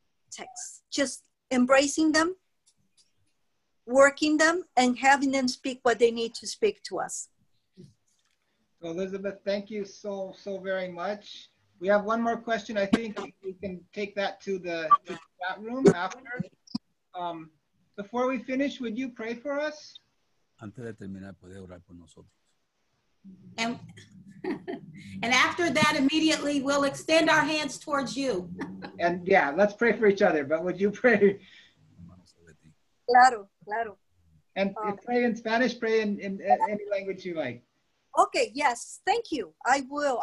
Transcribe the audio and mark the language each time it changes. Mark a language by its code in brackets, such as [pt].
[en] Text, just embracing them, working them, and having them speak what they need to speak to us. Elizabeth, thank you so very much. We have one more question. I think we can take that to the chat room after. Before we finish, would you pray for us? [es] Antes de terminar, puede orar por nosotros. [en] And after that, immediately, we'll extend our hands towards you. And yeah, let's pray for each other. But would you pray? [es] Claro, claro. [en] And pray in Spanish, pray in any language you like. Okay, yes. Thank you. I will.